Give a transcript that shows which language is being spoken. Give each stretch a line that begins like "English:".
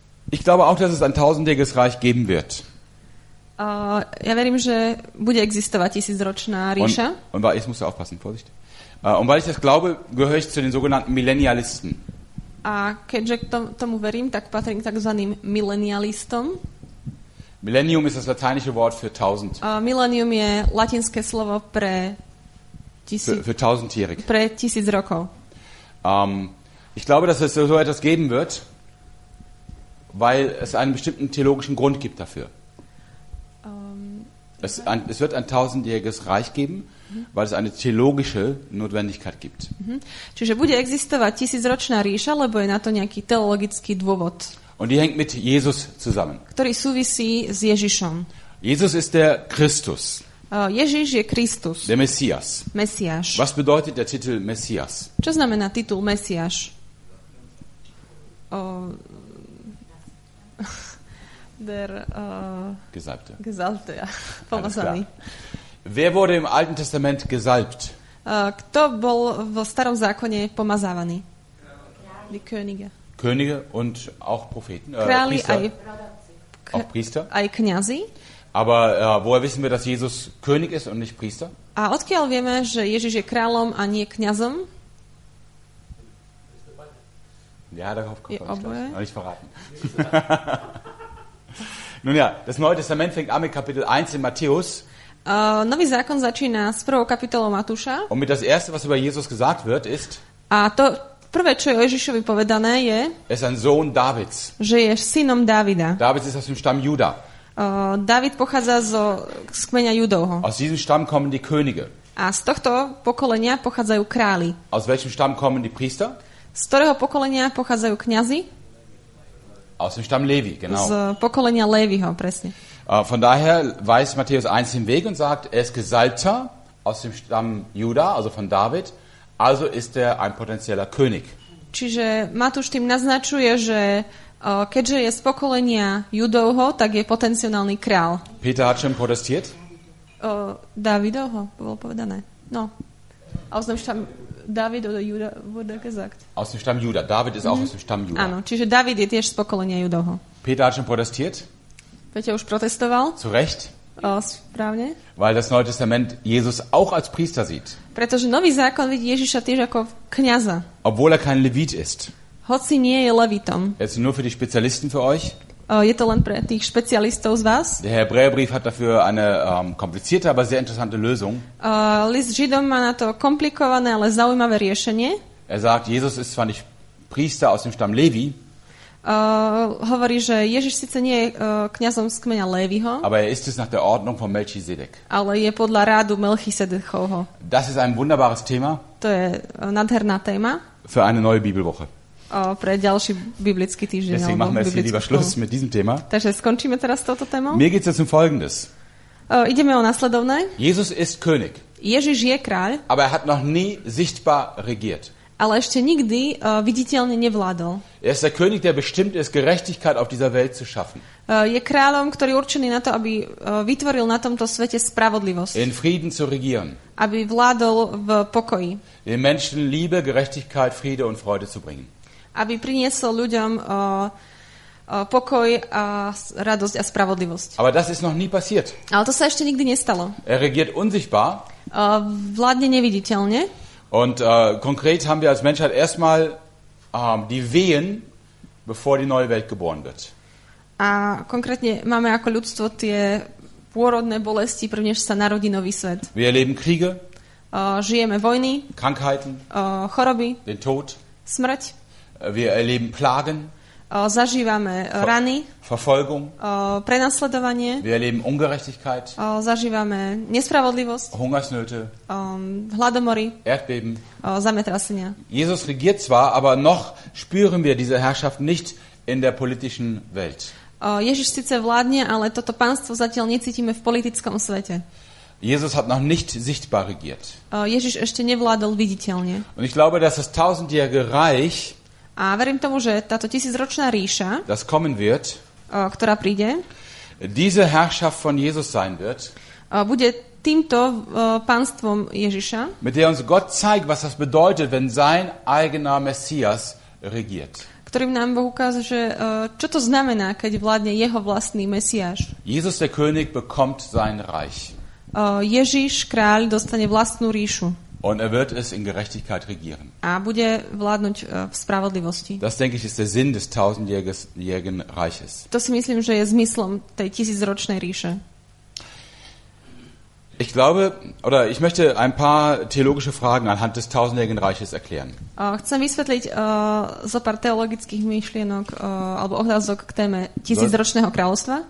German: Ich glaube auch, dass es ein tausendjähriges Reich geben wird.
Slovak: Ja verím, že bude existovať tisícročná ríša.
German: Und weil ich das glaube, gehöre ich zu den sogenannten Millennialisten.
Slovak: A keďže k tomu verím, tak patrím k takzvaným milenialistom.
German: Millennium ist das lateinische Wort für tausend.
Slovak: Millennium je latinské slovo pre
German: für tausendjährig.
Slovak: Pre tisíc rokov.
German: Ich glaube, dass es so etwas geben wird, weil es einen bestimmten theologischen Grund gibt dafür. Es wird ein tausendjähriges Reich geben, weil es eine theologische Notwendigkeit gibt.
Slovak: Čiže bude existovať tisícročná ríša, lebo je na to nejaký teologický dôvod.
German: Und die hängt mit Jesus zusammen.
Slovak: Ktorý súvisí s Ježišom.
German: Jesus ist der Christus.
Slovak: Ježiš je Kristus.
German: Der Messias. Messias. Was bedeutet der Titel Messias?
Slovak: Čo znamená titul Messias?
German: Der Gesalbte. Gesalbte, ja.
Slovak: Pomazaný.
German: Wer wurde im Alten Testament gesalbt?
Slovak: Kto bol v starom zákone pomazávaný?
German: Die Könige. Könige und auch Propheten,
Slovak: králi
German: Priester. Auch Priester.
Slovak: Aj kňazi.
German: Aber woher wissen wir, dass Jesus König ist und nicht Priester?
Slovak: A odkiaľ vieme, že Ježiš je kráľom a nie kňazom?
German: Ja, darauf kommt noch nicht verraten. Nun ja, das Neue Testament fängt an mit Kapitel 1 in Matthäus.
Slovak: Nový zákon začína s prvou kapitolou Matúša.
German: Und mit das erste, was über Jesus gesagt wird, ist
Slovak: a to prvé, čo je Ježišovi povedané, je
German: er ist ein Sohn Davids.
Slovak: Že je synom Davida.
German: David ist aus dem Stamm Juda.
Slovak: David pochádza z kmeňa Judovho.
German: Aus diesem Stamm kommen die Könige.
Slovak: A z tohto pokolenia pochádzajú králi.
German: Aus welchem Stamm kommen die Priester?
Slovak: Z ktorého pokolenia pochádzajú kňazi?
German: Aus dem Stamm Levi, genau.
Slovak: Z pokolenia Leviho, presne.
German: Von daher weiß Matthäus 1 den Weg und sagt, er ist Gesalbter aus dem Stamm Juda, also von David, also ist er ein potenzieller König.
Slovak: Čiže Matúš tým naznačuje, že keďže je z pokolenia Judovho, tak je potenciálny král.
German: Peter hat schon protestiert?
Slovak: Davidovho, bolo povedané. No.
German: Aus dem Stamm David oder Juda wurde gesagt. Aus dem Stamm Juda. David ist auch aus dem Stamm Juda.
Slovak: Áno, čiže David je tiež z pokolenia Judovho.
German: Peter hat schon protestiert?
Slovak: Peter už protestoval.
German: Zu Recht.
Slovak: Správne.
German: Weil das Neue Testament Jesus auch als Priester sieht.
Slovak: Pretože Nový zákon vidí Ježiša tiež ako kňaza.
German: Obwohl er kein Levit ist.
Slovak: Hoci nie je Levitom.
German: Jetzt nur für die Spezialisten für euch.
Slovak: Je to len pre tých špecialistov z vás.
German: Der Hebräerbrief hat dafür eine komplizierte, aber sehr interessante Lösung.
Slovak: List Židom má na to komplikované, ale zaujímavé riešenie.
German: Er sagt, Jesus ist zwar nicht Priester aus dem Stamm Levi,
Slovak: hovorí, že Ježiš síce nie je kňazom z kmeňa Léviho,
German: aber er ist es nach der Ordnung von Melchisedek.
Slovak: Ale je podľa rádu Melchisedechovho.
German: Das ist ein wunderbares Thema.
Slovak: To je nádherná téma.
German: Für eine neue Bibelwoche.
Slovak: Pre ďalší biblický týždeň.
German: Deswegen machen wir jetzt hier lieber Schluss mit diesem Thema.
Slovak: Takže skončíme teraz s touto témou.
German: Mir geht's jetzt um Folgendes.
Slovak: Ideme o nasledovné.
German: Jesus ist König.
Slovak: Ježiš je kráľ.
German: Aber er hat noch nie sichtbar regiert.
Slovak: Ale ešte nikdy viditeľne nevládol.
German: Er ist der König, der bestimmt ist, Gerechtigkeit auf dieser Welt zu schaffen.
Slovak: Je kráľom, ktorý určený na to, aby vytvoril na tomto svete spravodlivosť.
German: In Frieden zu regieren.
Slovak: Aby vládol v pokoji.
German: Den Menschen Liebe, Gerechtigkeit, Friede und Freude zu bringen.
Slovak: Aby priniesol ľuďom pokoj a radosť a spravodlivosť.
German: Aber das ist noch nie passiert.
Slovak: Ale to sa ešte nikdy nestalo.
German: Er regiert unsichtbar.
Slovak: Vládne neviditeľne.
German: Und konkret haben wir als Menschheit erstmal die Wehen, bevor die neue Welt geboren wird.
Slovak: A konkrétne máme ako ľudstvo tie pôrodné bolesti, prvnež sa narodí nový svet.
German: Wir erleben Kriege.
Slovak: Žijeme vojny.
German: Krankheiten.
Slovak: Choroby.
German: Den Tod.
Slovak: Smrť.
German: Wir erleben Plagen.
Slovak: Zažívame rany.
German: Verfolgung.
Slovak: Prenasledovanie.
German: Wir erleben Ungerechtigkeit.
Slovak: Zažívame nespravodlivosť.
German: Hungersnöte.
Slovak: Hladomory.
German: Erdbeben.
Slovak: Zemetrasenia.
German: Jesus regiert zwar, aber noch spüren wir diese Herrschaft nicht in der politischen Welt.
Slovak: Ježiš síce vládne, ale toto panstvo zatiaľ necítime v politickom svete.
German: Jesus hat noch nicht sichtbar regiert.
Slovak: Ježiš ešte nevládol viditeľne.
German: Und ich glaube, dass das tausendjährige Reich,
Slovak: a verím tomu, že táto tisícročná ríša,
German: das kommen wird,
Slovak: ktorá príde,
German: diese Herrschaft von Jesus sein wird,
Slovak: bude týmto panstvom Ježiša,
German: mit der uns Gott zeigt, was das bedeutet, wenn sein eigener Messias regiert.
Slovak: Ktorým nám Boh ukáže, že čo to znamená, keď vládne jeho vlastný Mesiáš.
German: Jesus der König bekommt sein Reich.
Slovak: Ježiš, kráľ, dostane vlastnú ríšu.
German: Und er wird es in Gerechtigkeit regieren.
Slovak: A bude vládnuť v spravodlivosti.
German: Das denke ich ist der Sinn des tausendjährigen Reiches.
Slovak: To si myslím, že je zmyslom tej tisícročnej ríše.
German: Ich glaube, oder ich möchte ein paar theologische Fragen anhand des tausendjährigen Reiches erklären.
Slovak: Chcem vysvetliť zo pár teologických myšlienok alebo otázok k téme tisícročného kráľovstva.